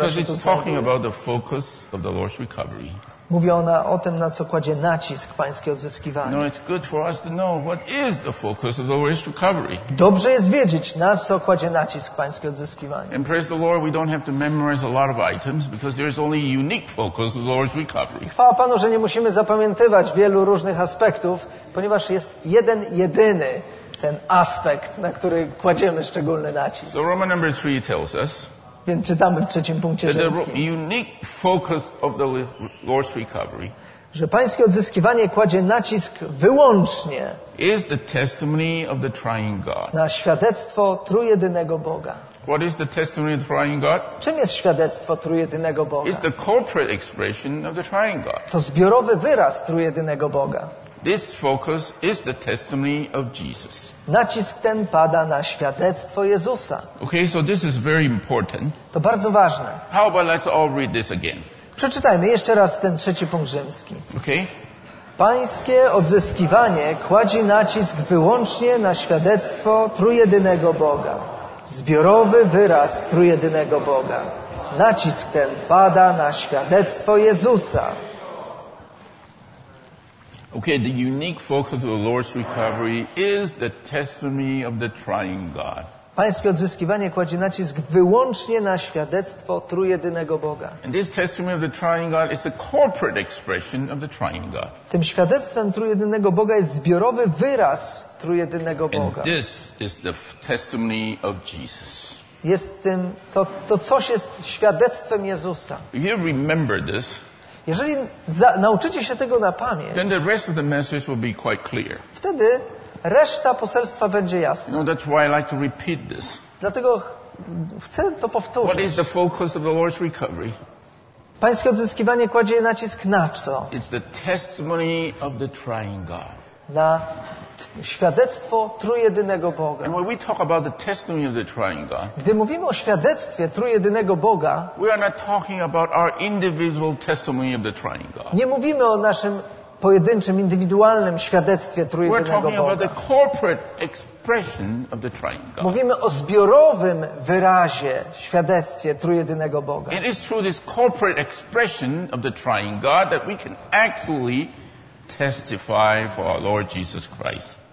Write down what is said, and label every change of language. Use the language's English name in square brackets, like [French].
[English] because [Polish] się [English] it's [Polish] tu [English] talking [Polish] zajmuje. [English] About the focus of the Lord's recovery. [Polish] Mówi ona o tym, na co kładzie nacisk Pańskie odzyskiwanie. [English] No, it's good for us to know what is the focus of the Lord's recovery. [Polish] Dobrze jest wiedzieć, na co kładzie nacisk Pańskie odzyskiwanie. [English] And praise the Lord, we don't have to memorize a lot of items because there is only a unique focus of the Lord's recovery. [Polish] Chwała Panu, że nie musimy zapamiętywać wielu różnych aspektów, ponieważ jest jeden jedyny ten aspekt, na który kładziemy szczególny nacisk. [English] So Roman number three tells us. [Polish] Więc czytamy w trzecim punkcie rzymskim, [English] unique focus of the Lord's recovery, [Polish] że Pańskie odzyskiwanie kładzie nacisk wyłącznie [English] is the testimony of the triune God. [Polish] Na świadectwo trójjedynego Boga. [English] What is the testimony of the triune God? [Polish] Czym jest świadectwo trójjedynego Boga? [English] It's the corporate expression of the triune God. [Polish] To zbiorowy wyraz trójjedynego Boga. [English] This focus is the testimony of Jesus. [Polish] Nacisk ten pada na świadectwo Jezusa. [English] Okay, so this is very important. [Polish] To bardzo ważne. [English] How about let's all read this again? [Polish] Przeczytajmy jeszcze raz ten trzeci punkt rzymski. [English] Okay. [Polish] Pańskie odzyskiwanie kładzie nacisk wyłącznie na świadectwo trójjedynego Boga. Zbiorowy wyraz trójjedynego Boga. nacisk ten pada na świadectwo Jezusa. [English] Okay, the unique focus of the Lord's recovery is the testimony of the triune God. [Polish] Pańskie odzyskiwanie kładzie nacisk wyłącznie na świadectwo trójjedynego Boga. [English] And this testimony of the triune God is a corporate expression of the triune God. [Polish] Tym świadectwem trójjedynego Boga jest zbiorowy wyraz trójjedynego Boga. [English] And this is the testimony of Jesus. [Polish] Jest tym, to coś jest świadectwem Jezusa. [English] If you remember this, [Polish] jeżeli nauczycie się tego na pamięć, [English] then the rest of the message will be quite clear. [Polish] Wtedy reszta poselstwa będzie jasna. [English] No, that's why I like to repeat this. [Polish] Dlatego chcę to powtórzyć. [English] What is the focus of the Lord's recovery? [Polish] Pańskie odzyskiwanie kładzie nacisk na co? [English] It's the testimony of the triune God. [Polish] Na świadectwo trójjedynego Boga. [English] And when we talk about the testimony of the triune God, [Polish] gdy mówimy o świadectwie trójjedynego Boga, [English] we are not talking about our individual testimony of the triune God. [Polish] Nie mówimy o naszym pojedynczym, indywidualnym świadectwie trójjedynego Boga. [English] About the corporate expression of the triune God. [Polish] Mówimy o zbiorowym wyrazie świadectwie trójjedynego Boga. [English] It is through this corporate expression of the triune God that we can actually testify for our Lord Jesus Christ.